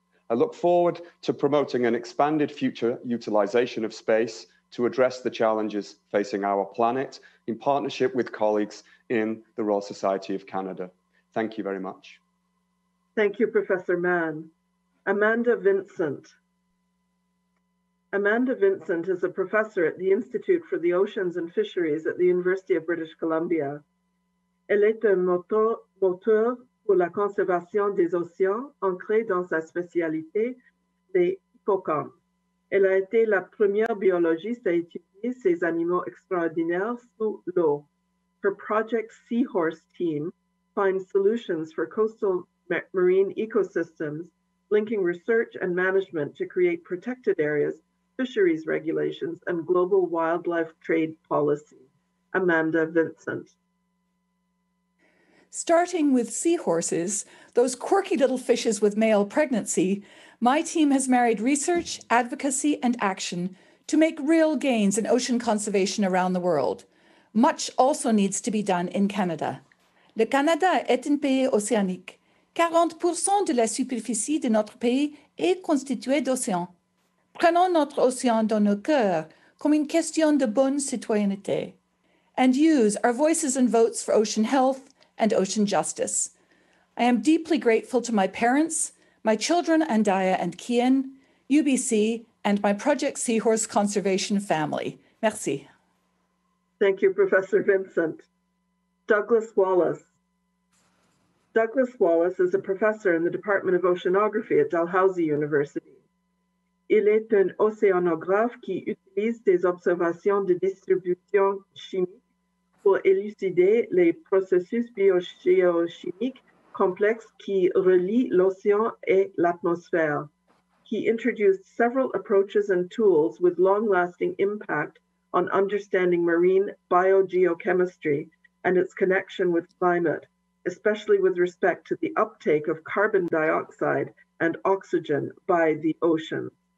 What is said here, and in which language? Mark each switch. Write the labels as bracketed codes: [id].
[en] I look forward to promoting an expanded future utilization of space to address the challenges facing our planet in partnership with colleagues in the Royal Society of Canada. Thank you very much. Thank you, Professor Mann. Amanda Vincent. Amanda Vincent is a professor at the Institute for the Oceans and Fisheries at the University of British Columbia. [fr] Elle est un moteur pour la conservation des océans, ancrée dans sa spécialité, les hippocampes. Elle a été la première biologiste à étudier ces animaux extraordinaires sous l'eau. [en] Her Project Seahorse team finds solutions for coastal marine ecosystems, linking research and management to create protected areas, fisheries regulations, and global wildlife trade policy. Amanda Vincent. Starting with seahorses, those quirky little fishes with male pregnancy, my team has married research, advocacy, and action to make real gains in ocean conservation around the world. Much also needs to be done in Canada. [fr] Le Canada est un pays océanique. 40% de la superficie de notre pays est constituée d'océans. Prenons notre océan dans nos cœurs comme une question de bonne citoyenneté. [en] And use our voices and votes for ocean health and ocean justice. I am deeply grateful to my parents, my children Andaya and Kian, UBC, and my Project Seahorse Conservation family. [fr] Merci. [en] Thank you, Professor Vincent. Douglas Wallace. Douglas Wallace is a professor in the Department of Oceanography at Dalhousie University. [fr] Il est un océanographe qui utilise des observations de distribution chimique pour élucider les processus biogéochimiques complexes qui relient l'océan et l'atmosphère. [en] He introduced several approaches and tools with long-lasting impact on understanding marine biogeochemistry and its connection with climate, especially with respect to the uptake of carbon dioxide and oxygen by the ocean.